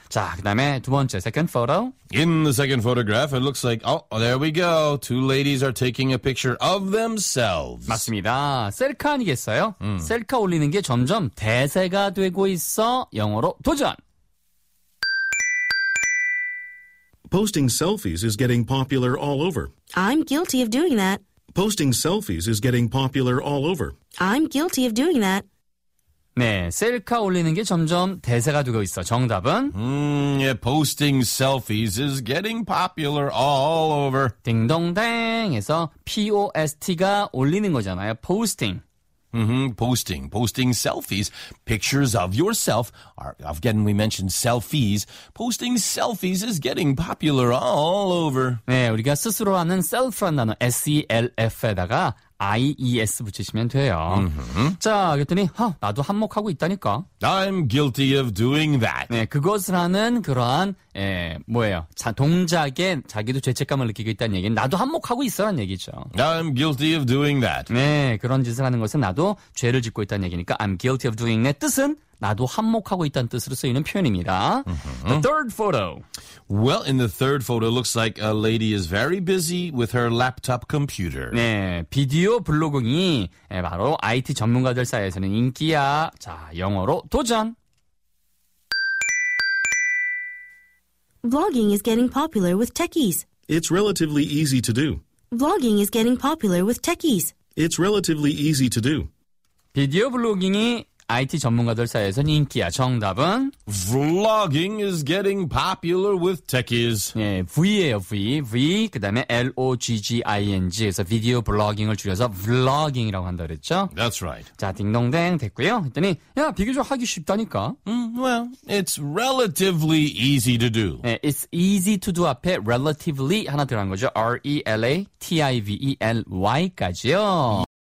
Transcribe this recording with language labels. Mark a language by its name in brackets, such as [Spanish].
[Korean] 자, 그다음에 두 번째 [English] second photo. In the second photograph, it looks like oh, there we go. Two ladies are taking a picture of themselves. [Korean] 맞습니다. 셀카 아니겠어요? 셀카 올리는 게 점점 대세가 되고 있어. 영어로 도전. [English] Posting selfies is getting popular all over. I'm guilty of doing that. Posting selfies is getting popular all over. I'm guilty of doing that. [Korean] 네, 셀카 올리는 게 점점 대세가 되고 있어. 정답은? [English] Yeah, posting selfies is getting popular all over. [Korean] 딩동댕에서 P-O-S-T가 올리는 거잖아요. [English] Posting. Mm-hmm, posting. Posting selfies. Pictures of yourself. Again, we mentioned selfies. Posting selfies is getting popular all over. [Korean] 네, 우리가 스스로 하는 self라는 단어 S-E-L-F에다가 IES 붙이시면 돼요. Mm-hmm. 자, 그랬더니 나도 한몫하고 있다니까. [English] I'm guilty of doing that. [Korean] 네, 그것을 하는 그러한 뭐예요? 동작에 자기도 죄책감을 느끼고 있다는 얘기는 나도 한몫하고 있어라는 얘기죠. [English] I'm guilty of doing that. [Korean] 네, 그런 짓을 하는 것은 나도 죄를 짓고 있다는 얘기니까 [English] I'm guilty of doing that [Korean] 뜻은 나도 한몫하고 있다는 뜻으로 쓰이는 표현입니다. Mm-hmm. [English] The third photo. Well, in the third photo, it looks like a lady is very busy with her laptop computer. [Korean] 네, 비디오 블로깅이 바로 IT 전문가들 사이에서는 인기야. 자, 영어로 도전. [English] Vlogging is getting popular with techies. It's relatively easy to do. Vlogging is getting popular with techies. It's relatively easy to do. [Korean] 비디오 블로깅이 IT 전문가들 사이에서는 인기야. 정답은? [English] Vlogging is getting popular with techies. [Korean] 네, V예요, V. V, 그 다음에 L-O-G-G-I-N-G. 그래서 비디오 블로깅을 줄여서 vlogging이라고 한다고 그랬죠? [English] That's right. [Korean] 자, 딩동댕 됐고요. 했더니, 야, 비교적 하기 쉽다니까. [English] Well, it's relatively easy to do. [Korean] 네, [English] it's easy to do [Korean] 앞에 relatively 하나 들어간 거죠. R-E-L-A-T-I-V-E-L-Y까지요.